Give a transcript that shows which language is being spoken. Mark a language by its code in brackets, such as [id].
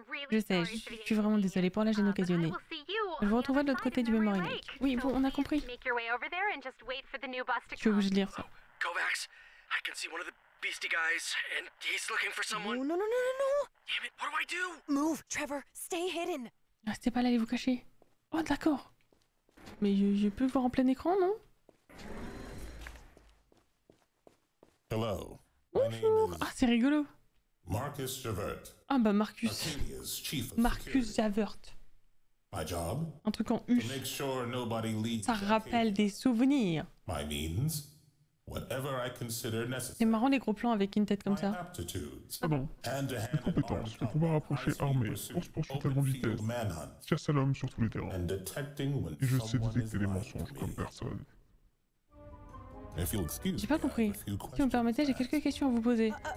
[fr] Je sais, je suis vraiment désolée pour la gêne occasionnée. Je vous retrouverai de l'autre côté du mémorial. Oui, bon, on a compris. Je suis obligée de lire ça. [en] Kovacs, I can see one of the beastie guys, and he's looking for someone. [fr] Non, non, non, non, non! [en] Damn it, what do I do? Move, Trevor, stay hidden! [fr] Restez pas là, allez vous cacher. Oh, d'accord! Mais je peux voir en plein écran, non? [en] Hello. [fr] Bonjour. Ah, c'est rigolo. [en] Marcus Javert. [fr] Ah bah Marcus. Marcus Javert. [en] My job? [fr] Un truc en U. [en] To make sure nobody leaves. [fr] Ça rappelle des souvenirs. [en] My means, whatever I consider necessary. [fr] C'est marrant les gros plans avec une tête comme ça. Ah bon. Mes compétences, le combat rapproché armé, force poursuite à grande vitesse, chasse à l'homme sur tous les terrains. Et je sais détecter les mensonges comme personne. J'ai pas compris. Si vous me permettez, j'ai quelques questions à vous poser.